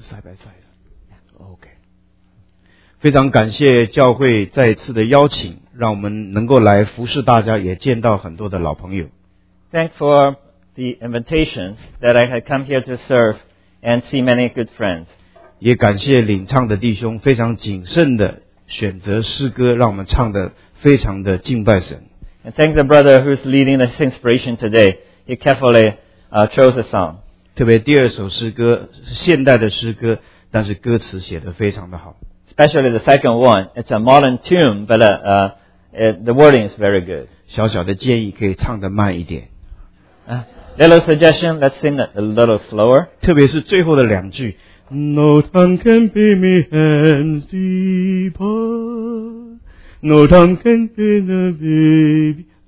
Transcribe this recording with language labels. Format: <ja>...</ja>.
<en>Okay.</en> <zh>非常感谢教会再次的邀请，让我们能够来服侍大家，也见到很多的老朋友。</zh> <en>Thanks for the invitation that I had come here to serve and see many good friends.</en> <zh>也感谢领唱的弟兄非常谨慎的选择诗歌，让我们唱的非常的敬拜神。</zh> <en>And thank the brother who's leading the inspiration today. He carefully chose a song.</en> <zh>特别第二首诗歌是现代的诗歌，但是歌词写得非常的好。</zh> <en>Especially the second one, it's a modern tune, but the wording is very good.</en> <zh>小小的建议，可以唱得慢一点。</zh> <en>Little suggestion, let's sing it a little slower.</en> <zh>特别是最后的两句</zh> <en>，No tongue can be me hands deeper, No tongue can be the baby.</en>